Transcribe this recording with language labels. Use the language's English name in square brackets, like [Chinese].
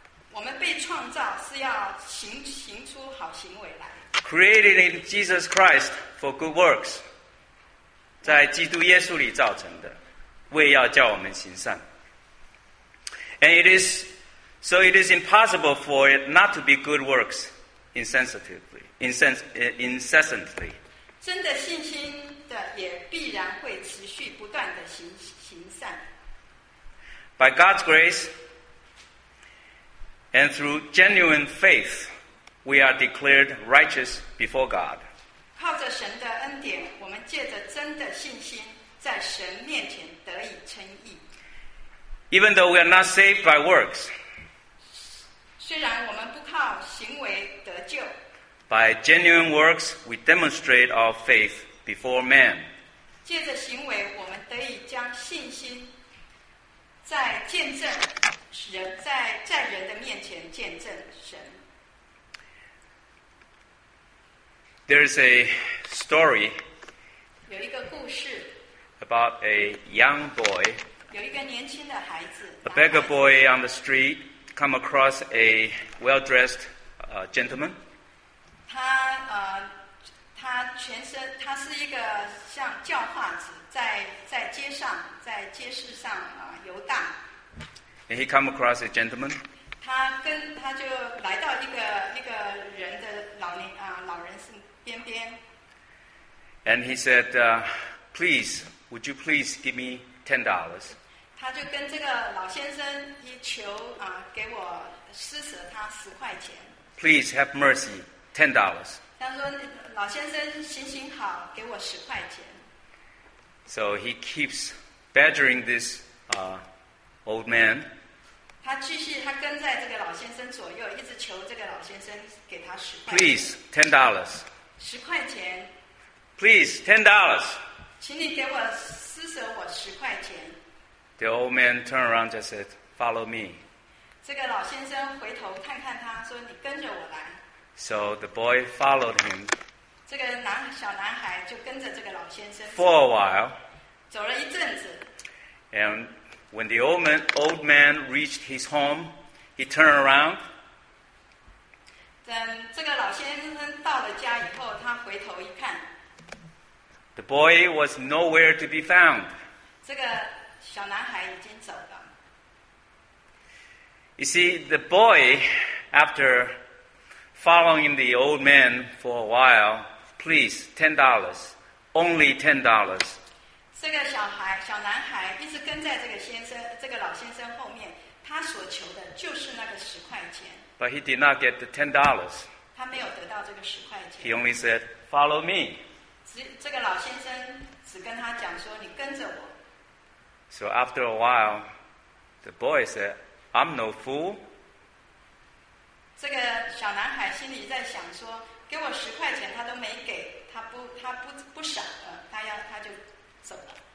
[Chinese] 我们被创造是要行出好行为来。 [English] Created in Jesus Christ for good works. [Chinese] 在基督耶稣里造成的，为要叫我们行善。 [English] And it is impossible for it not to be good works incessantly. [Chinese] 真的信心的也必然会持续不断的行善。 [English] By God's grace and through genuine faith, we are declared righteous before God. [Chinese] 靠着神的恩典，我们借着真的信心，在神面前得以称义。 [English] Even though we are not saved by works, [Chinese] 虽然我们不靠行为得救, [English] by genuine works we demonstrate our faith before man. [Chinese] 借着行为，我们得以将信心在见证人，在人的面前见证神。 [English] There is a story, [Chinese] 有一个故事, [English] about a young boy. A beggar boy on the street come across a well-dressed gentleman. [Chinese] 他是一个像叫化子，在街市上游荡。 [English] And he come across a gentleman. [Chinese] 他就来到一个人的老人身边。 [English] And he said, "Please, would you please give me $10?" [Chinese] 他就跟这个老先生一求啊，给我施舍他十块钱。 [English] Please have mercy, $10. [Chinese] 他说老先生行行好，给我十块钱。 [English] So he keeps badgering this old man. [Chinese] 他跟在这个老先生左右，一直求这个老先生给他十块钱。 [English] Please, $10. [Chinese] 十块钱。 [English] Please, $10. [Chinese] 请你给我施舍我十块钱。 [English] The old man turned around and said, "Follow me." [Chinese] 这个老先生回头看看他，说你跟着我来。 [English] So the boy followed him. [Chinese] 这个小男孩就跟着这个老先生。 [English] For a while. [Chinese] 走了一阵子。 [English] And when the old man reached his home, he turned around. [Chinese] 等这个老先生到了家以后，他回头一看。 [English] The boy was nowhere to be found. [Chinese] 这个小男孩已经走了。 [English] You see, the boy, after following the old man for a while, please, $10, only $10. [Chinese] 这个小男孩一直跟在这个老先生后面，他所求的就是那个十块钱。 [English] But he did not get the $10. [Chinese] 他没有得到这个十块钱。 [English] He only said, "Follow me." [Chinese] 这个老先生只跟他讲说，你跟着我。 [English] So after a while, the boy said, "I'm no fool." [Chinese] 这个小男孩心里在想说，给我十块钱他都没给，他不傻的，他就走了。